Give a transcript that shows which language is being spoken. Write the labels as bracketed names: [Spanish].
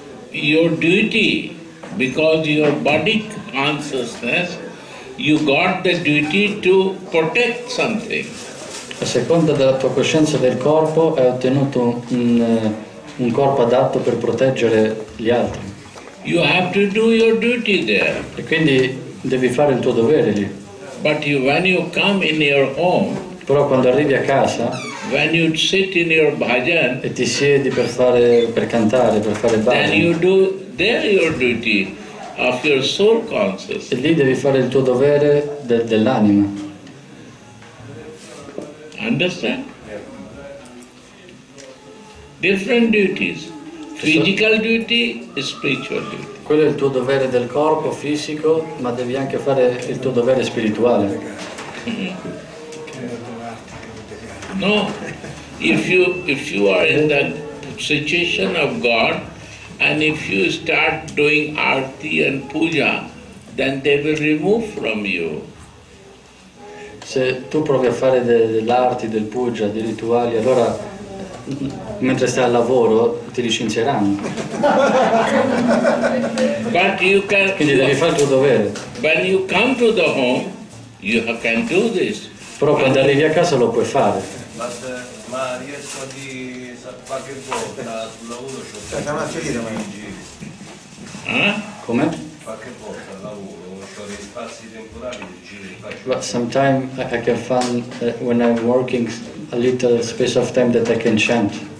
[English] Your duty, because your body consciousness, you got the duty to protect something. [Italian] A seconda della tua coscienza del corpo hai ottenuto un corpo adatto per proteggere gli altri. [English] You have to do your duty there. [Italian] E quindi devi fare il tuo dovere lì. [English] But you, when you come in your home, [Italian] però quando arrivi a casa, [English] when you sit in your bhajan, [Italian] e ti siedi per cantare, per fare bhajan, [English] then you do there your duty of your soul consciousness. [Italian] E lì devi fare il tuo dovere dell'anima. [English] Understand? Different duties. Physical duty, spiritual duty. [Italian] Quello è il tuo dovere del corpo fisico, ma devi anche fare il tuo dovere spirituale. [English] No, if you are in the situation of God, and if you start doing arti and puja, then they will remove from you. [Italian] Se tu provi a fare dell'arti, del puja, dei rituali, allora mentre stai al lavoro ti licenzieranno. [English] But you can. [Italian] Quindi devi fare il tuo dovere. [English] When you come to the home, you can do this. [Italian] Però quando arrivi a casa lo puoi fare. Ma riesco a dire qualche volta sul lavoro c'ho Luigi. Come? Qualche volta al lavoro c'ho dei spazi temporali di giri. [English] But sometimes I can find when I'm working a little space of time that I can chant.